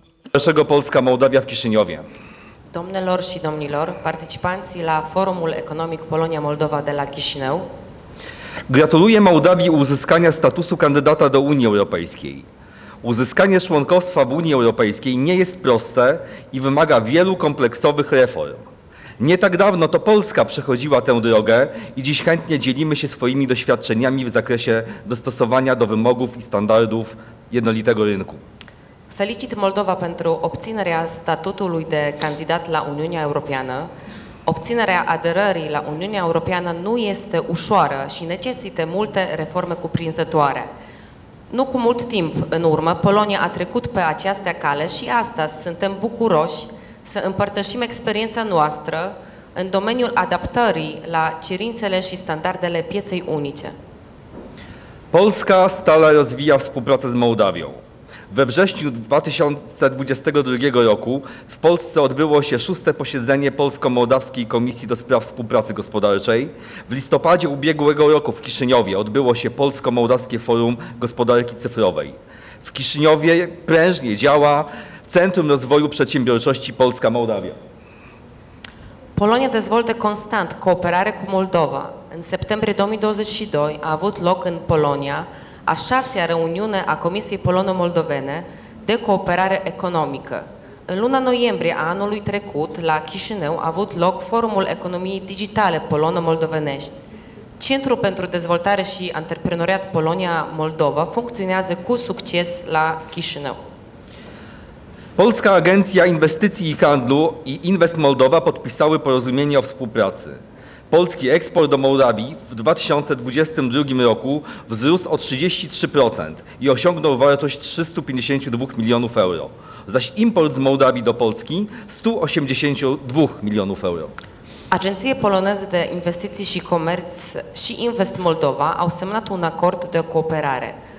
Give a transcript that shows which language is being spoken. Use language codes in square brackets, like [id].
[ro] Dragă Polska, Moldavia, Chișinăvia. Domnilor și domnilor, participanții la Forumul Economic Polonia-Moldova de la Chișinău. [pl] Gratuluję Moldavii uzyskania statusu kandydata do Unii Europejskiej. Uzyskanie członkostwa w Unii Europejskiej nie jest proste i wymaga wielu kompleksowych reform. Nie tak dawno to Polska przechodziła tę drogę i dziś chętnie dzielimy się swoimi doświadczeniami w zakresie dostosowania do wymogów i standardów jednolitego rynku. [ro] Felicit Moldova pentru obținerea statutului de candidat la Uniunea Europeană. Obținerea aderării la Uniunea Europeană nu este ușoară și necesită multe reforme cuprinzătoare. Nu cu mult timp în urmă, Polonia a trecut pe această cale și astăzi suntem bucuroși să împărtășim experiența noastră în domeniul adaptării la cerințele și standardele pieței unice. [pl] Polska stale rozwija współpracę z Mołdawią. We wrześniu 2022 roku w Polsce odbyło się 6. posiedzenie Polsko-Mołdawskiej Komisji do Spraw Współpracy Gospodarczej. W listopadzie ubiegłego roku w Kiszyniowie odbyło się Polsko-Mołdawskie Forum Gospodarki Cyfrowej. W Kiszyniowie prężnie działa Centrum Rozwoju Przedsiębiorczości Polska-Mołdawia. [ro] Polonia dezvoltă constant cooperare cu Moldova. În septembrie 2022 a avut loc în Polonia a șasea reuniune a Comisiei Polono-Moldovene de cooperare economică. În luna noiembrie a anului trecut, la Chișinău, a avut loc Forumul Economiei Digitale Polono-Moldovenești. Centrul pentru Dezvoltare și Antreprenoriat Polonia-Moldova funcționează cu succes la Chișinău. [pl] Polska Agencja Inwestycji i Handlu i Invest Moldova podpisały porozumienie o współpracy. Polski eksport do Mołdawii w 2022 roku wzrósł o 33% i osiągnął wartość 352 milionów euro, zaś import z Mołdawii do Polski 182 milionów euro. [ro] Agencje Poloneze de Investicji și Comerț și Invest Moldova au semnat un acord de cooperare.